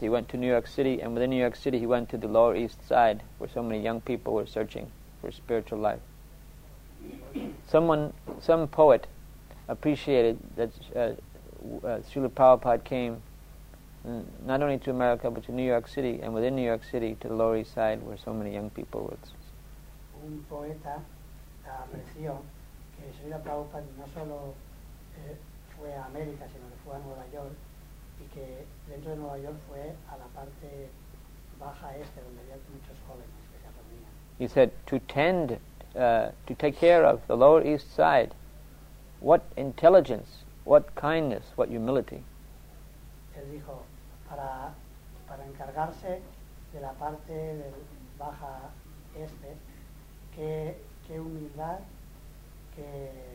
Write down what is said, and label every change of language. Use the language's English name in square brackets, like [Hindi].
[English] He went to New York City, and within New York City he went to the Lower East Side where so many young people were searching for spiritual life. Some poet appreciated that Srila Prabhupada came not only to America but to New York City, and within New York City to the Lower East Side where so many young people were. [Spanish] Un poeta apreció que Srila Prabhupada no solo fue a América sino que fue a Nueva York, y que dentro de Nueva York fue a la parte baja este donde había muchos jóvenes. [English] He said, to tend, to take care of the Lower East Side, what intelligence, what kindness, what humility. [Spanish] Él dijo, para encargarse de la parte del Baja Este, qué humildad, qué